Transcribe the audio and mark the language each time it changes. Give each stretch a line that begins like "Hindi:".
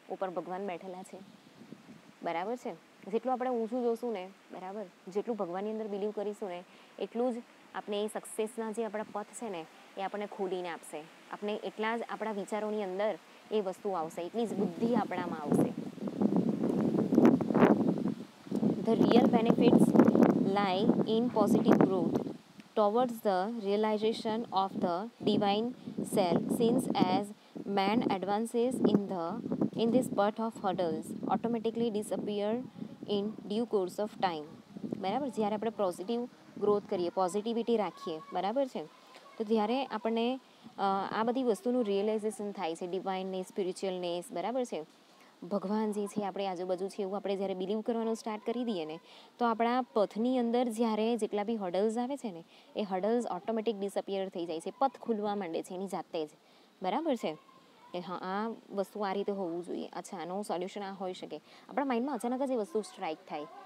Gujarati: ઉપર ભગવાન બેઠેલા છે, બરાબર છે. જેટલું આપણે ઊંચું જોશું ને, બરાબર, જેટલું ભગવાનની અંદર બિલીવ કરીશું ને, એટલું જ આપણે એ સક્સેસના જે આપણા પથ છે ને એ આપણને ખોલીને આપશે. આપણે એટલા જ આપણા વિચારોની અંદર એ વસ્તુ આવશે, એટલી જ બુદ્ધિ આપણામાં આવશે.
English: The real benefits lie in positive growth, towards the realization of the divine self, since as man advances in this path of hurdles automatically disappear in due course of time.
Gujarati: બરાબર, જ્યારે આપણે પોઝિટિવ ગ્રોથ કરીએ, positivity રાખીએ, બરાબર છે, તો ત્યારે આપણને આ બધી વસ્તુનું રિયલાઇઝેશન થાય છે, ડિવાઇનનેસ, સ્પિરિચ્યુઅલનેસ, બરાબર છે, ભગવાન જે છે આપણે આજુબાજુ છે એવું આપણે જ્યારે બિલીવ કરવાનું સ્ટાર્ટ કરી દઈએ ને, તો આપણા પથની અંદર જ્યારે જેટલા બી હર્ડલ્સ આવે છે ને, એ હર્ડલ્સ ઓટોમેટિક ડિસઅપિયર થઈ જાય છે, પથ ખુલવા માંડે છે એની જાતે જ, બરાબર છે, કે હા આ વસ્તુ આ રીતે હોવું જોઈએ, અચ્છા આનું સોલ્યુશન આ હોઈ શકે, આપણા માઇન્ડમાં અચાનક જ એ વસ્તુ સ્ટ્રાઇક થાય.